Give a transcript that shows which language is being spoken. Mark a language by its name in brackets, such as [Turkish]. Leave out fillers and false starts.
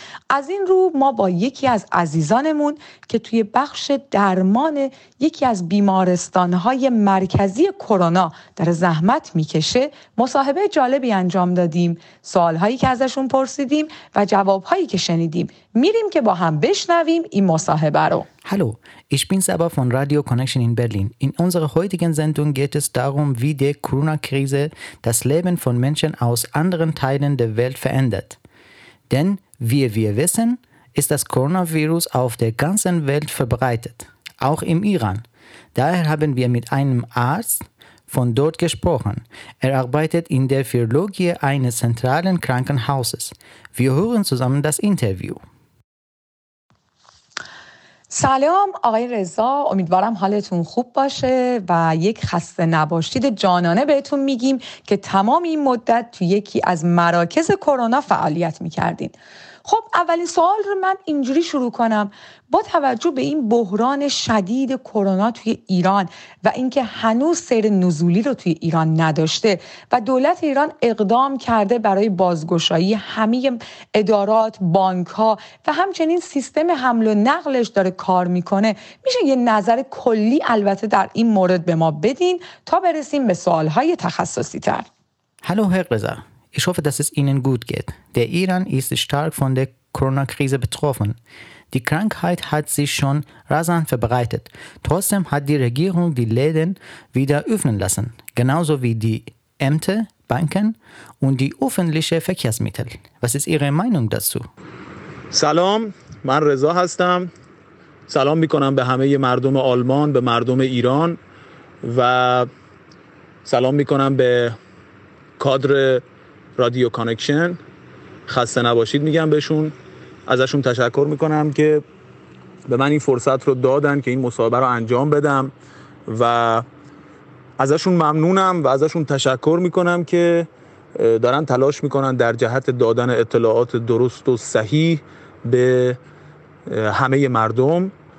[Persian] از این رو ما با یکی از عزیزانمون که توی بخش درمان یکی از بیمارستانهای مرکزی کرونا در زحمت میکشه مصاحبه جالبی انجام دادیم. سوالهایی که ازشون پرسیدیم و جوابهایی که شنیدیم، میریم که با هم بشنویم این مصاحبه رو. [German] Hallo, ich bin Saba von Radio Connection in Berlin. In unserer heutigen Sendung geht es darum, wie die Corona-Krise das Leben von Menschen aus anderen Teilen der Welt verändert. Denn, wie wir wissen, ist das Coronavirus auf der ganzen Welt verbreitet, auch im Iran. Daher haben wir mit einem Arzt von dort gesprochen. Er arbeitet in der Virologie eines zentralen Krankenhauses. Wir hören zusammen das Interview. [Persian] سلام آقای رضا، امیدوارم حالتون خوب باشه و یک خسته نباشید جانانه بهتون میگیم که تمام این مدت تو یکی از مراکز کرونا فعالیت میکردین. خب اولین سوال رو من اینجوری شروع کنم، با توجه به این بحران شدید کرونا توی ایران و اینکه هنوز سیر نزولی رو توی ایران نداشته و دولت ایران اقدام کرده برای بازگشایی همه ادارات، بانک‌ها و همچنین سیستم حمل و نقلش داره کار میکنه، میشه یه نظر کلی البته در این مورد به ما بدین تا برسیم به سوال‌های تخصصی تر. هلو هرقزا، [German] ich hoffe, dass es Ihnen gut geht. Der Iran ist stark von der Corona-Krise betroffen. Die Krankheit hat sich schon rasant verbreitet. Trotzdem hat die Regierung die Läden wieder öffnen lassen, genauso wie die Ämter, Banken und die öffentlichen Verkehrsmittel. Was ist Ihre Meinung dazu? [Persian] Salam, man Reza hastam. Salam mikonam be hameye mardom Alman, be mardom Iran va salam mikonam be kadre رادیو کانکشن. خسته نباشید میگم بهشون، ازشون تشکر میکنم که به من این فرصت رو دادن که این مصاحبه رو انجام بدم و ازشون ممنونم و ازشون تشکر میکنم که دارن تلاش میکنن در جهت دادن اطلاعات درست و صحیح به همه مردم.